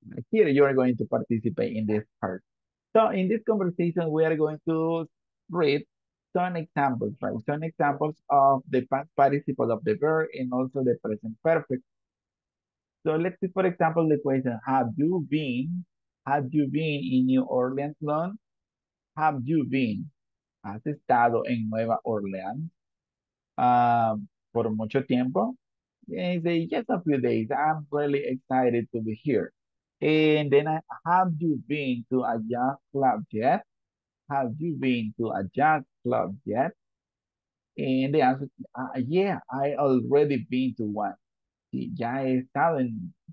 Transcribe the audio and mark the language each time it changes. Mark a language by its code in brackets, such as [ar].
[en] Here you are going to participate in this part. So in this conversation, we are going to read some examples, right? Some examples of the past participle of the verb and also the present perfect. So let's see, for example, the question, have you been in New Orleans long? Have you been? [es] ¿Has estado en Nueva Orleans por mucho tiempo? [en] And you say, just a few days. I'm really excited to be here. And then, have you been to a jazz club yet? Have you been to a jazz club yet? And the answer, yeah, I already been to one. [es] Sí, ya he estado en...